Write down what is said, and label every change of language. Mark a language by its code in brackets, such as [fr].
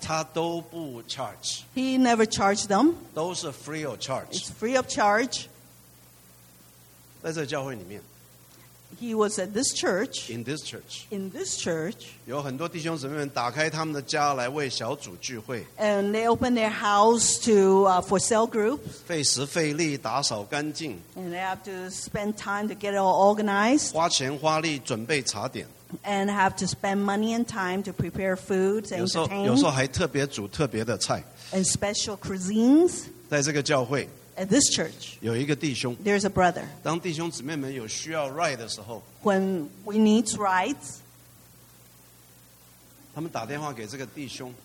[zh] 他都不charge。 [en] He never charged them. [zh] 都是 [en] free of charge. It's free of charge. [zh] 在这个教会里面。 [en] He was at this church. In this church. In this church. [zh] 有很多弟兄姊妹们打开他们的家来为小组聚会。 [en] And they opened their house to for cell groups. [zh] 费时费力打扫干净。 [en] And they have to spend time to get it all organized. [zh] 花钱花力准备茶点。 [en] And have to spend money and time to prepare foods and entertain. [zh] 有时候还特别煮特别的菜。 [en] And special cuisines. [zh] 在这个教会。 [en] At this church, [zh] 有一个弟兄, [en] there's a brother. [zh] 当弟兄姊妹们有需要 right 的时候, [en] when we need rights, [zh] 他们打电话给这个弟兄,